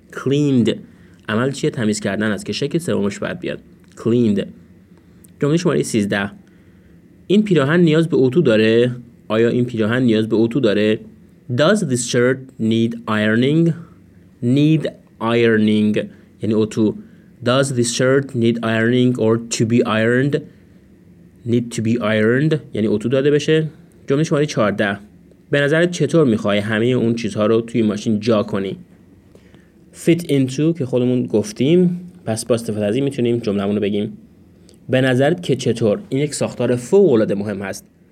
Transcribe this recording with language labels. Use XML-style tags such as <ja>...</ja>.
<fa>Cleaned عمل چیه؟ تمیز کردن است که شکل سومش باید بیاد. Cleaned. جمله شماره 13. این پیراهن نیاز به اتو داره؟ آیا این پیراهن نیاز به اتو داره؟</fa> <en>Does this shirt need ironing?</en> <fa>Need ironing یعنی اتو.</fa> <en>Does this shirt need ironing or to be ironed?</en> <fa>Need to be ironed یعنی اتو داده بشه. جمله شماره 14. به نظرت چطور میخوای همه اون چیزها رو توی ماشین جا کنی؟ Fit into که خودمون گفتیم، پس با استفاده از این میتونیم جملمون رو بگیم. به نظرت که چطور؟ این یک ساختار فوق العاده مهم هست.</fa>